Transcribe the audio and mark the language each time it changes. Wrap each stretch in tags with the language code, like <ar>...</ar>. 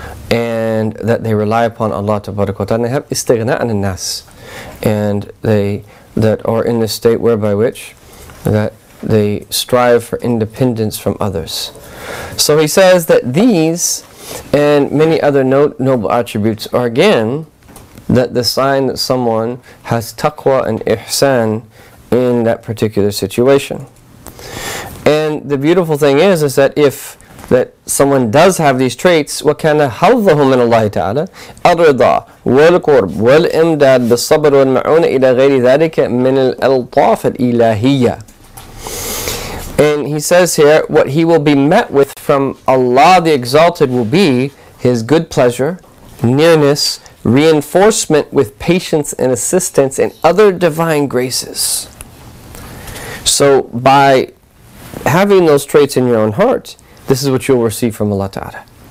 <en>And that they rely upon Allah tabarak wa ta'ala, and they have istighna an nas, and they that are in the state whereby which that they strive for independence from others. So he says that these and many other noble attributes are again that the sign that someone has taqwa and ihsan in that particular situation. And the beautiful thing is that if that someone does have these traits,</en> <ar>وَكَانَ حَظَّهُ مِنَ اللَّهِ تَعَالَى الْرِضَى وَالْقُرْبُ وَالْإِمْدَادُ بِالصَّبْرِ وَالْمَعُونَ إِلَى غَيْرِ ذَلِكَ مِنَ الْأَلْطَافِ الْإِلَهِيَّةِ.</ar> <en>And he says here, what he will be met with from Allah the Exalted will be his good pleasure, nearness, reinforcement with patience and assistance, and other divine graces. So by having those traits in your own heart, this is what you'll receive from Allah Ta'ala.</en>